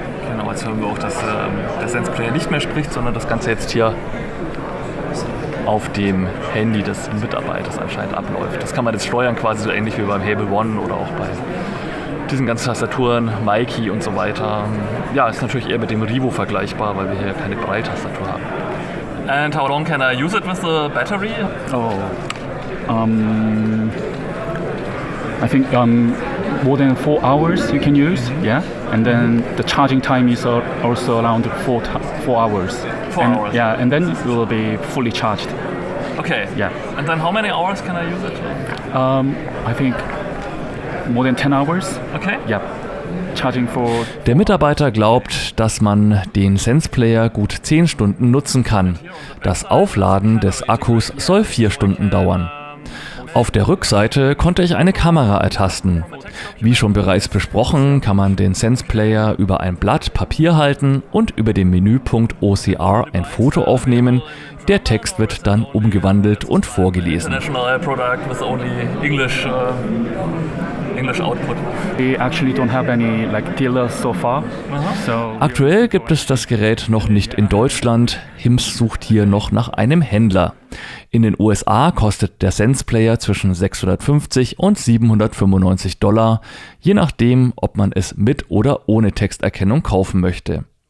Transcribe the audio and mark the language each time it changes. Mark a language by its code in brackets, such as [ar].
[de] Genau, jetzt hören wir auch, dass der Sense Player nicht mehr spricht, sondern das Ganze jetzt hier auf dem Handy des Mitarbeiters anscheinend abläuft. Das kann man jetzt steuern, quasi so ähnlich wie beim Hable One oder auch bei diesen ganzen Tastaturen, Mikey und so weiter. Ja, ist natürlich eher mit dem Rivo vergleichbar, weil wir hier keine Braille-Tastatur haben. [en] And how long can I use it with the battery? I think more than 4 hours you can use, yeah? And then the charging time is also around four hours. Four hours. Yeah, and then it will be fully charged. Okay. Yeah. And then how many hours can I use it? I think more than 10 hours. Okay. Yeah. Charging for. [de] Der Mitarbeiter glaubt, dass man den SensePlayer gut 10 Stunden nutzen kann. Das Aufladen des Akkus soll 4 Stunden dauern. Auf der Rückseite konnte ich eine Kamera ertasten. Wie schon bereits besprochen, kann man den SensePlayer über ein Blatt Papier halten und über den Menüpunkt OCR ein Foto aufnehmen. Der Text wird dann umgewandelt und vorgelesen. [en] International product with only English, English output. We actually don't have any like dealers so far. Uh-huh. So [de] aktuell gibt es das Gerät noch nicht in Deutschland. Hims sucht hier noch nach einem Händler. In den USA kostet der SensePlayer zwischen $650 and $795, je nachdem, ob man es mit oder ohne Texterkennung kaufen möchte.